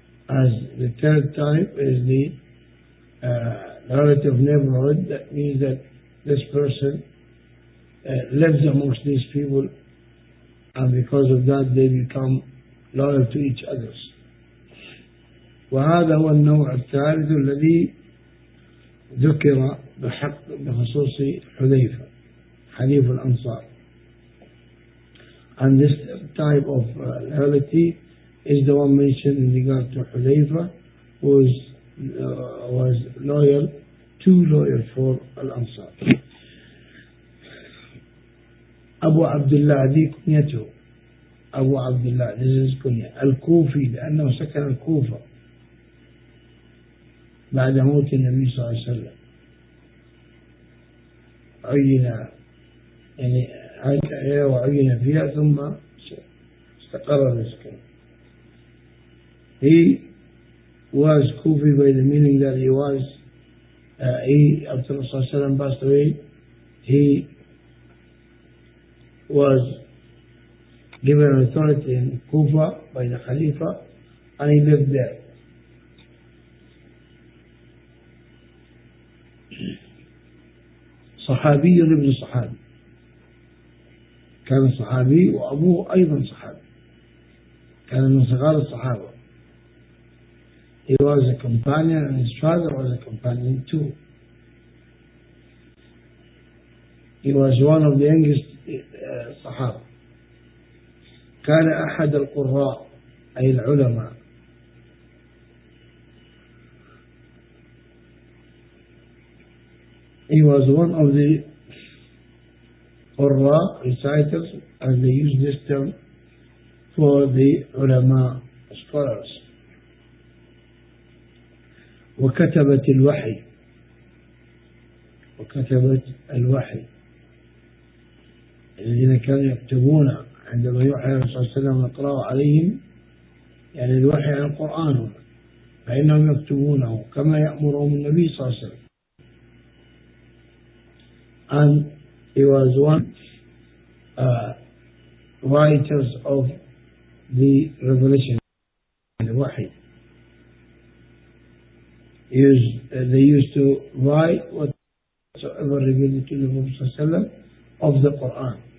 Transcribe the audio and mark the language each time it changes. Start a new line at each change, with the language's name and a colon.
English: as the third type is the relative neighborhood, that means that this person lives amongst these people and because of that they become loyal to each other.
Arabic: وهذا هو النوع الثالث الذي ذكر بحق بخصوص حذيفة حليف الأنصار.
English: And this type of loyalty is the one mentioned in regard to Hudayfa, who was loyal, too loyal for Al-Ansar. Abu Abdullah, this is kunyatu. Abu Abdullah, this is kunyat.
Arabic: Al-Kufi, لأنه سكن الكوفة بعد موت النبي صلى الله عليه وسلم. عينا يعني عينا وعينا فيها ثم استقر المسكن.
English: He was Kufi by the meaning that he was after Rasulullah Sallam passed away, he was given authority in Kufa by the Khalifa and he lived there.
Arabic: Sahabi ibn Sahabi كان صحابي وأبوه أيضا صحابي كان من صغار الصحابة.
English: He was a companion and his father was a companion too. He was one of the youngest صحاب.
Arabic: كان أحد القراء أي العلماء.
English: He was one of the قراء reciters and they used this term for the علماء scholars.
Arabic: وكتبت الوحي، وكتبت الوحي الذين كانوا يكتبون عندما يوحى صلى الله عليه وسلم يقرأ عليهم يعني الوحي عن القرآن، فإنهم يكتبونه كما يأمرهم النبي صلى الله عليه وسلم.
English: And he was one writers of the revelation الوحي. They used to write whatsoever revealed to the Prophet ﷺ of the Quran.